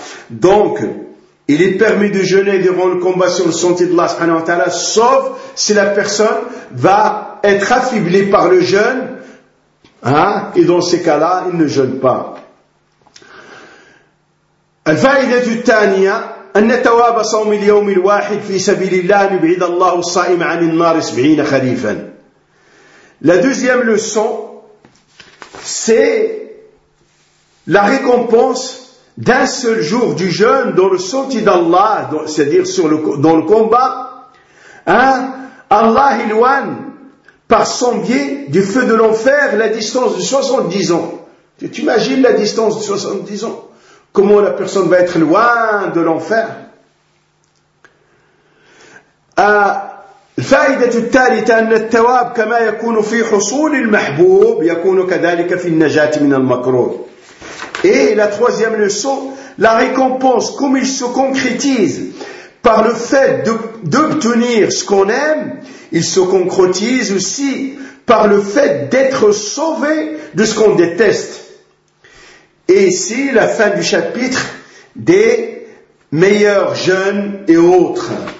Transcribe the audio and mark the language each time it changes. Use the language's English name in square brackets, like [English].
[French] Donc, il est permis de jeûner durant le combat sur le sentier d'Allah, subhanahu wa ta'ala, sauf si la personne va être affaibli par le jeûne, et dans ces cas-là, il ne jeûne pas. [Arabic] الفائدة الثانية أن تواب صوم اليوم الواحد في سبيل الله يبعد الله الصائم عن النار 70 خريفا. [French] La deuxième leçon, c'est la récompense d'un seul jour du jeûne dans le sentier d'Allah, c'est-à-dire dans le combat, Allah éloigne par son biais du feu de l'enfer, la distance de 70 ans. Tu imagines la distance de 70 ans? Comment la personne va être loin de l'enfer? [Arabic] الفائدة الثالثة أن التواب كما يكون في حصول المحبوب يكون كذلك في النجاة من المكروه. [French] Et la troisième leçon, la récompense, comme il se concrétise par le fait d'obtenir ce qu'on aime, il se concrétise aussi par le fait d'être sauvé de ce qu'on déteste. Et ici, la fin du chapitre des meilleurs jeunes et autres.